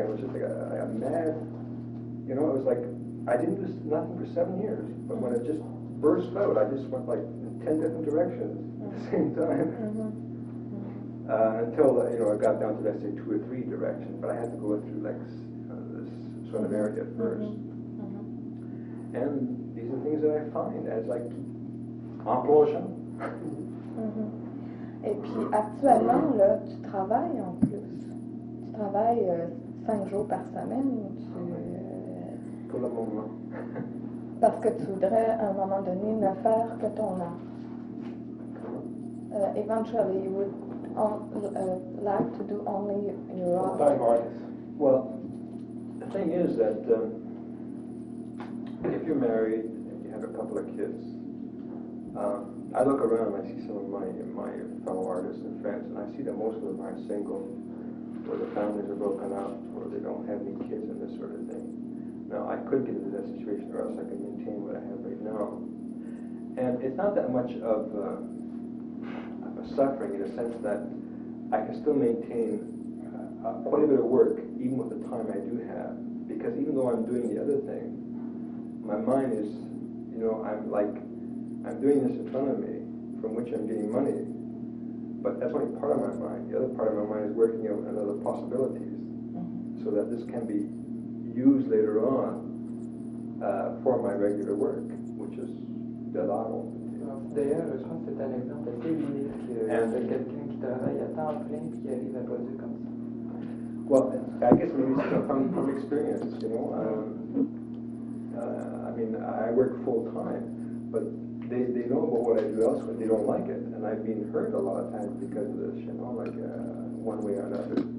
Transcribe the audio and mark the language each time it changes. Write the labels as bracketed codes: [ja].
[en] I was just like a mad, you know, it was like I didn't do nothing for 7 years, but when it just burst out, I just went like in 10 different directions at the same time. Mm-hmm. Until you know, I got down to let's say 2 or 3 directions, but I had to go through like this sort of area at first. Mm-hmm. Mm-hmm. And these are things that I find as I keep [fr] en plongeant. [en] Mm-hmm. [fr] Et puis actuellement là, tu travailles en plus. Tu travailles 5 jours par semaine ou tu. Pour le moment. Parce que tu voudrais à un moment donné ne faire que ton art. [en] Eventually, you would. Like to do only your own. Well, the thing is that if you're married and you have a couple of kids, I look around and I see some of my fellow artists and friends, and I see that most of them are single, or the families are broken up, or they don't have any kids and this sort of thing. Now, I could get into that situation, or else I could maintain what I have right now. And it's not that much of suffering in a sense that I can still maintain quite a bit of work even with the time I do have, because even though I'm doing the other thing, my mind is, you know, I'm doing this in front of me from which I'm getting money, but that's only part of my mind. The other part of my mind is working out on other possibilities so that this can be used later on for my regular work, which is the lotto. [fr] D'ailleurs, je trouve que c'est un exemple assez unique de quelqu'un qui travaille à temps plein et qui arrive à produire comme ça. [en] Well, I guess maybe it's from experience, you know. I mean, I work full time, but they know about what I do elsewhere. They don't like it, and I've been hurt a lot of times because of this, you know, like one way or another.